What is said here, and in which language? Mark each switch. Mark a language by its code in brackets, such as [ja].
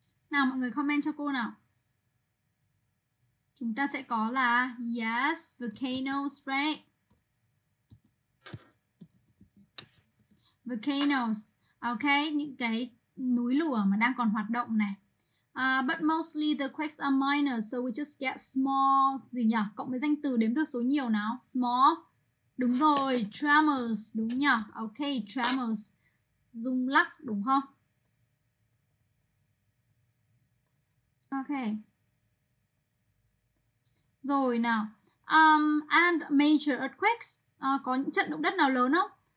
[vi] Nào mọi người comment cho cô nào. Chúng ta sẽ có là [en] yes, volcanoes, right? [vi] Volcanoes, ok, những cái núi lửa mà đang còn hoạt động này. [en] But mostly the quakes are minor, so we just get small, [vi] gì nhỉ? Cộng với danh từ đếm được số nhiều nào, small. Đúng rồi, tremors, đúng nhỉ? Ok, tremors, rung lắc, đúng không? Ok. Rồi nào. [en] And major earthquakes, [vi] có những trận động đất nào lớn không?